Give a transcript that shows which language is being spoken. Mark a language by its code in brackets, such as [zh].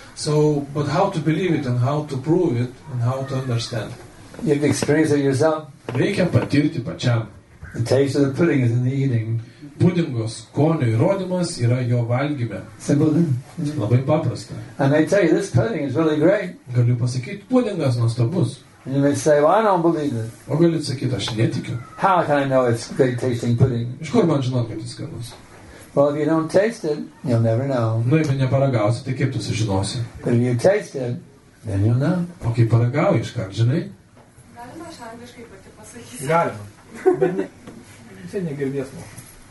[en] So, but how to believe it and how to prove it and how to understand? You have to experience it yourself. [lt] Reikia patirti pačiam. [en] The taste of the pudding is in the eating. [lt] Pudingo skonio įrodymas yra jo valgyme. [en] Simple. [lt] Labai paprasta. [en] And I tell you, this pudding is really great. [lt] Galiu pasakyti, pudingas nuostabus. [en] And you may say, well, I don't believe it. [lt] O galit sakyt, aš netikiu. [en] How can I know it's great tasting pudding? [lt] Iš kur man žinot, kad jis skanus? [en] Well, if you don't taste it, you'll never know. [lt] Nu, jeigu neparagausi, tai kaip tu sužinosi? [en] But if you taste it, then you'll know. [lt] O kai paragauji, iš kart, žinai? Galima aš angliškai pati pasakysiu. Galima. Bet ne... Jis negirdės mokas.